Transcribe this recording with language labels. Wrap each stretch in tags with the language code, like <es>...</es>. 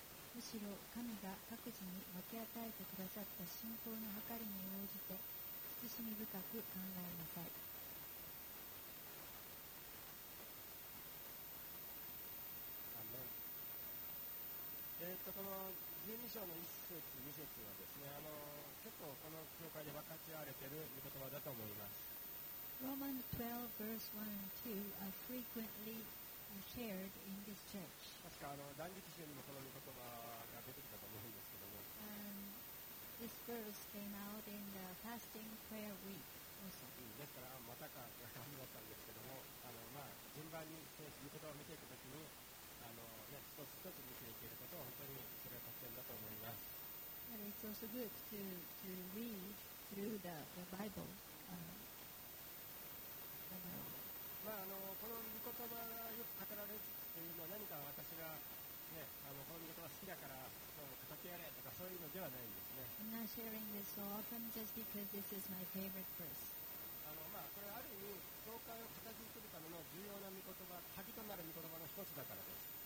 <ja>むしろ神が各自に分け与えてくださった信仰の計りに応じて慎み深く考えなさい。アメン。この12章の1節2節はですね、結構この教会で分かち合われている御言葉だと思います。</ja> <en>Romans 12 verse 1 and 2 are frequently shared in this church.</en> <ja>確か断食週にもこの御言葉が出てきたと思うんですけども、</ja> <en>This verse came out in the fasting prayer week also.</en> <ja>ですからまたかという感じだったんですけども、順番に御言葉を見ていくときに一つ一つ見ていけることは本当にそれが特典だと思います。</ja> <en>But it's also good to read through the Bible.</en> <ja>この御言葉がよく語られるというのは何か私がこの御言葉好きだから語ってやれとかそういうのではないんですね。</ja> <en>I'm not sharing this so often just because this is my favorite verse.</en> <ja>これはある意味教会を形作るための重要な御言葉、鍵となる御言葉の一つだからです。</ja>